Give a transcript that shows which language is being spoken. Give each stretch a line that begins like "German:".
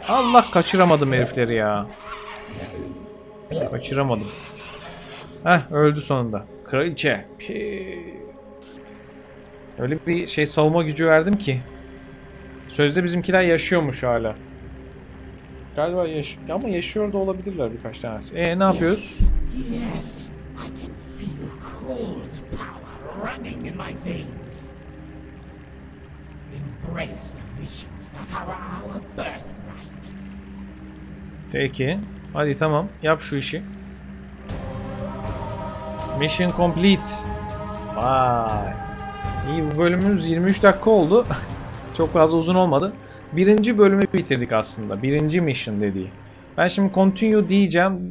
Turkish: Allah, kaçıramadım herifleri ya. Kaçıramadım. Heh, öldü sonunda. Kraliçe. Öyle bir şey, savunma gücü verdim ki. Sözde bizimkiler yaşıyormuş hala. Galiba yaşıyor ama yaşıyor da olabilirler birkaç tanesi. Ne yapıyoruz?
English: Yes, I can feel cold power running in my veins. Embrace the visions that are our birthright.
Turkish: Peki, hadi tamam, yap şu işi.
English: Mission complete.
Turkish: Vay. İyi, bu bölümümüz 23 dakika oldu. Çok fazla uzun olmadı. Birinci bölümü bitirdik aslında. Birinci mission dediği. Ben şimdi continue diyeceğim.